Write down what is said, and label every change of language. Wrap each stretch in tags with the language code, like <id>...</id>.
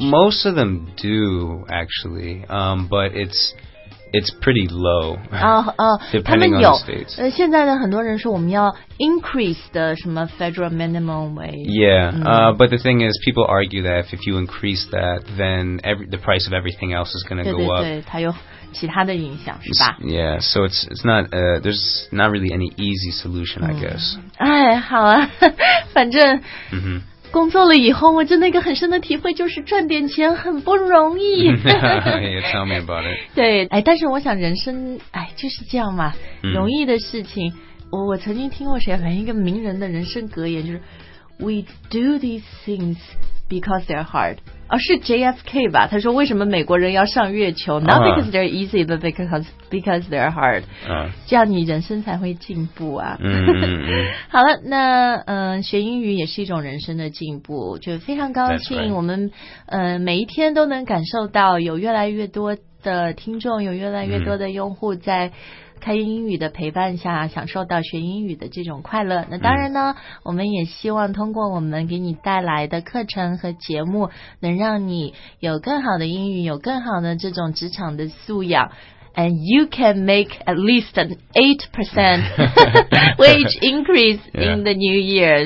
<en>Most of them do actually, but it's pretty low. Depending on the states.</en> <zh>现在的很多人说我们要</zh> <en>increase the</en> <zh>什么</zh> <en>federal minimum wage. Yeah, but the thing is, people argue that if you increase that, then the price of everything else is going to go up.</en> <zh>对对对，它有其他的影响是吧</zh> <en>？Yeah, so it's not there's not really any easy solution, I guess.</en> <zh>哎，好啊，反正。 Mm-hmm. 工作了以后我真的一个很深的体会就是赚点钱很不容易</zh> <en>yeah, tell me about it</en> <zh>对、哎、但是我想人生、哎、就是这样嘛、嗯、容易的事情 我曾经听过谁反正一个名人的人生格言就是</zh> <en>We do these things because they're hard、</en> <zh>哦、是 JFK 吧他说为什么美国人要上月球、 uh-huh.</zh> <en>Not because they're easy but because they're hard、 uh-huh.</en> <zh>这样你人生才会进步啊、 mm-hmm. 好了那学英语也是一种人生的进步就非常高兴、</zh> <en>right.</en> <zh>我们每一天都能感受到有越来越多的听众有越来越多的用户在开英语的陪伴下享受到学英语的这种快乐那当然呢、嗯、我们也希望通过我们给你带来的课程和节目能让你有更好的英语有更好的这种职场的素养</zh> <en>and you can make at least an 8% wage increase in the new year.</en>